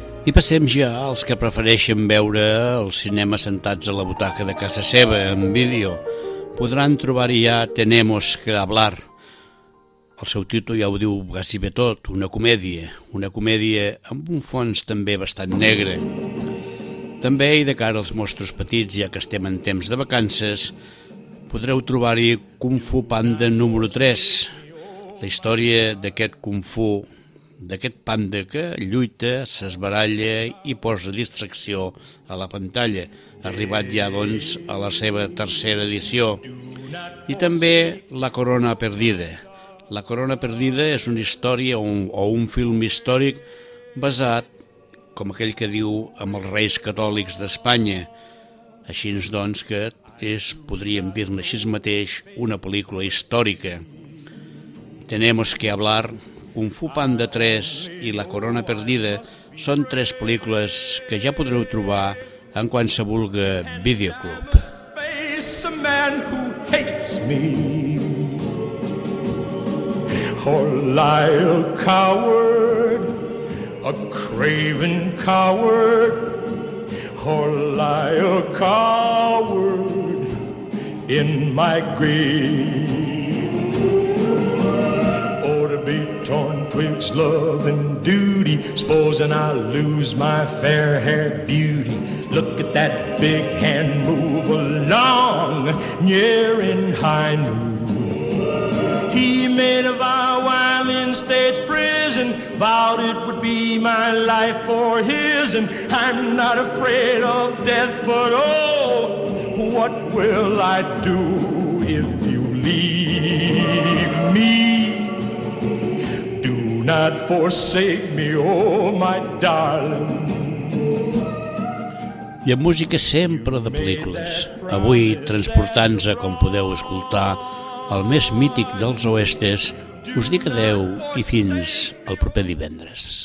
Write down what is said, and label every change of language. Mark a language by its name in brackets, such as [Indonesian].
[Catalan] I passem ja als que prefereixen veure el cinema sentats a la butaca de casa seva, en vídeo. Podran trobar ja Tenemos que hablar. El seu títol ja ho diu quasi bé tot, una comèdia. Una comèdia amb un fons també bastant negre. També, i de cara als monstres petits, ja que estem en temps de vacances, podreu trobar-hi Kung Fu Panda número 3. La història d'aquest Kung Fu, d'aquest panda que lluita, s'esbaralla i posa distracció a la pantalla, arribat ja, doncs, a la seva tercera edició. I també La Corona Perdida. La Corona Perdida és una història o un film històric basat, com aquell que diu, amb els reis catòlics d'Espanya. Així, doncs, que és, podríem dir-ne així mateix, una pel·lícula històrica. Tenemos que hablar. Kung Fu Panda 3 i La Corona Perdida són tres pel·lícules que ja podreu trobar en qualsevol videoclub. [English] Face a man who hates me, or lie a coward, a craven coward, or lie a coward in my grave. Torn twixt love and duty, supposing I lose my fair-haired beauty. Look at that big hand move along, near in high noon. He made a vow while in state's prison, vowed it would be my life or his, and I'm not afraid of death, but oh, what will I do if you leave me? Do not forsake me, oh my darling. [Catalan] I amb música sempre de pel·lícules. Avui, transportant-se, com podeu escoltar, el més mític dels oestes, us dic adeu i fins el proper divendres.